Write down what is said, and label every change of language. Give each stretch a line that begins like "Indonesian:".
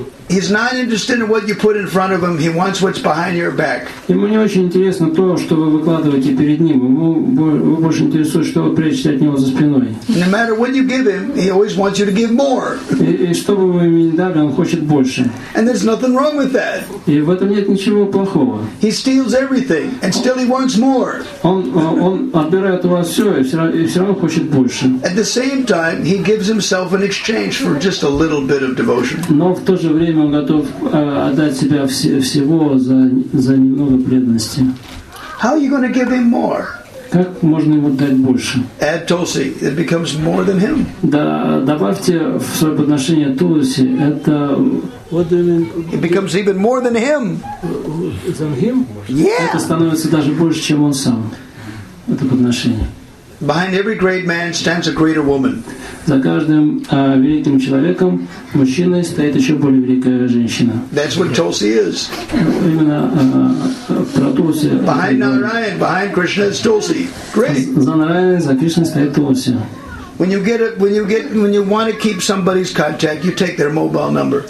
English: He's not interested in what you put in front of him. He wants what's behind your back.
Russian: Ему не очень интересно то, что вы выкладываете перед ним. Ему больше интересует, что вы прячете от него за спиной.
English: No matter what you give him, he always wants you to give more.
Russian: И что бы вы ему ни дали, он хочет больше.
English: And there's nothing wrong with that.
Russian: И в этом нет ничего плохого.
English: He steals everything, and still he wants more.
Russian: Он отбирает у вас все, и все равно хочет больше.
English: At the same time, he gives himself in exchange for just a little bit of devotion.
Russian: Но в то же время он готов отдать себя всего за немного преданности.
English: How are you going to give him more?
Russian: Как можно ему дать больше?
English: Add Tulsi, it becomes more than him.
Russian: Да, добавьте в свое подношение Тулси, это...
English: What do you mean? It becomes even more than him. Than him? Yeah.
Russian: Это становится даже больше, чем он сам. Это подношение.
English: Behind every great man stands a greater woman.
Russian: За каждым великим человеком, мужчиной, стоит еще более великая женщина.
English: That's what Tulsi is.
Russian: Именно про Тулси.
English: Behind Narayan, behind Krishna is Tulsi. Great.
Russian: За Нараяной, за Кришной стоит Тулси.
English: When you want to keep somebody's contact, you take their mobile number.